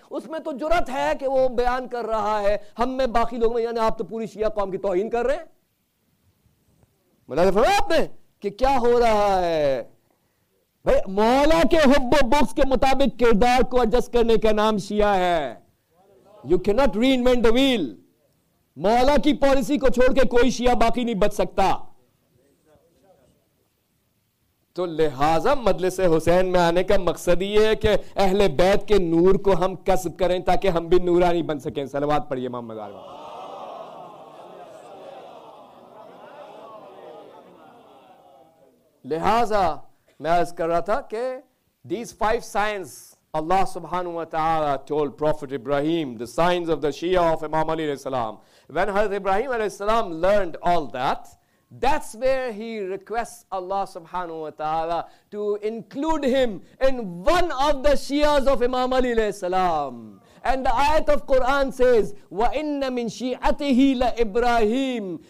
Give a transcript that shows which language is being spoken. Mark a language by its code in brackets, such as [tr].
[ur] اس میں تو جرت ہے کہ وہ بیان کر رہا ہے, ہم میں باقی لوگ میں, یعنی آپ تو پوری شیعہ قوم کی توہین کر رہے ہیں. ملاحظہ فرمایا آپ نے کہ کیا ہو رہا ہے بھائی؟ مولا کے حب و بغض کے مطابق کردار کو ایڈجسٹ کرنے کا نام شیعہ ہے. [en] You can not reinvent the wheel. [ur] مولا کی پالیسی کو چھوڑ کے کوئی شیعہ باقی نہیں بچ سکتا. تو لہٰذا مجلس حسین میں آنے کا مقصد یہ ہے کہ اہل بیت کے نور کو ہم کسب کریں تاکہ ہم بھی نورانی بن سکیں. صلوات پڑھیے محمد علی. لہٰذا میں عرض کر رہا تھا کہ [en] These five signs اللہ سبحانہ و تعالی ٹولڈ پروفٹ ابراہیم, دی سائنز آف دی شیعہ آف امام علی علیہ السلام. وین حضرت ابراہیم علیہ السلام learned all that, that's where he requests Allah subhanahu wa ta'ala to include him in one of the shias of Imam Ali alayhi salam. And the ayat of Quran says, [ar] wa inna min shi'atihi la Ibrahim.